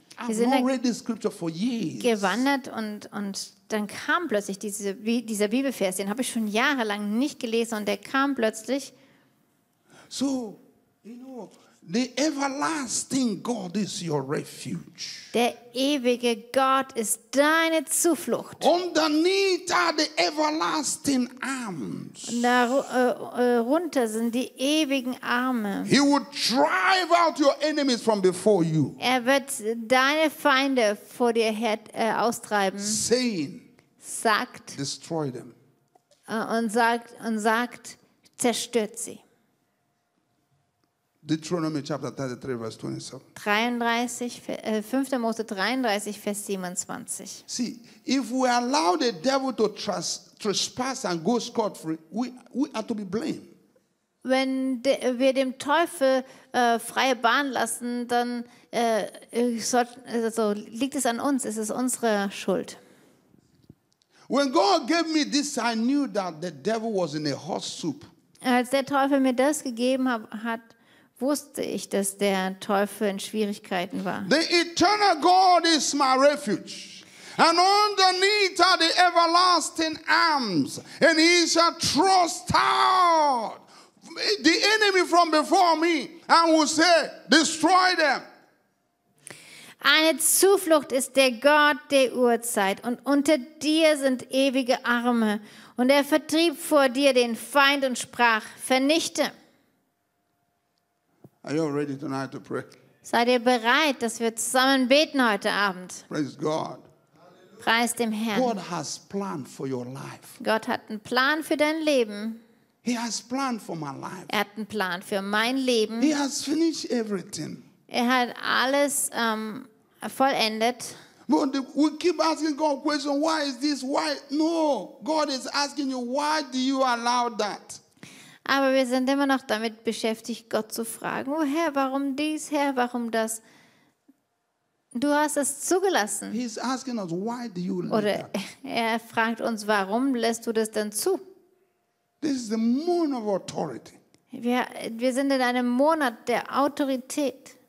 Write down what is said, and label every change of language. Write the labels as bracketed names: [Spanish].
[English] I've not read this scripture for years. [German] Gewandert und dann kam plötzlich dieser Bibelvers, den habe ich schon jahrelang nicht gelesen und der kam plötzlich. [English] So, you know. The everlasting God is your refuge. [German] Der ewige Gott ist deine Zuflucht. [English] Underneath are the everlasting arms. [German] Darunter sind die ewigen Arme. [English] He will drive out your enemies from before you. [German] Er wird deine Feinde vor dir austreiben. [English] Saying, [German] sagt, [English] destroy them. [German] Und sagt, zerstört sie. [English] Deuteronomy chapter 33, verse 27. [German] 5. Mose 33, Vers 27. [English] See, if we allow the devil to trespass and go scot-free, we are to be blamed. [German] Wenn wir dem Teufel freie Bahn lassen, dann liegt es an uns, es ist unsere Schuld. [English] When God gave me this, I knew that the devil was in a hot soup. [German] Als der Teufel mir das gegeben hat, wusste ich, dass der Teufel in Schwierigkeiten war. [English] The eternal God is my refuge, and underneath are the everlasting arms, and he shall thrust out the enemy from before me, and will say, destroy them. [German] Eine Zuflucht ist der Gott der Urzeit, und unter dir sind ewige Arme, und er vertrieb vor dir den Feind und sprach, vernichte. [English] Are you ready tonight to pray? [German] Seid ihr bereit, dass wir zusammen beten heute Abend? [English] Praise God. [German] Preist dem Herrn. [English] God has planned for your life. [German] Gott hat einen Plan für dein Leben. [English] He has planned for my life. [German] Er hat einen Plan für mein Leben. [English] He has finished everything. [German] Er hat alles vollendet. [English] But we keep asking God questions. Why is this? Why? No. God is asking you, why do you allow that? [German] Aber wir sind immer noch damit beschäftigt, Gott zu fragen, oh Herr, warum dies, Herr, warum das? Du hast es zugelassen. [English] He's asking us, why do you [German] Oder er fragt uns, warum lässt du das denn zu? [English] This is the moon of authority. [German] Wir sind in einem Monat der Autorität.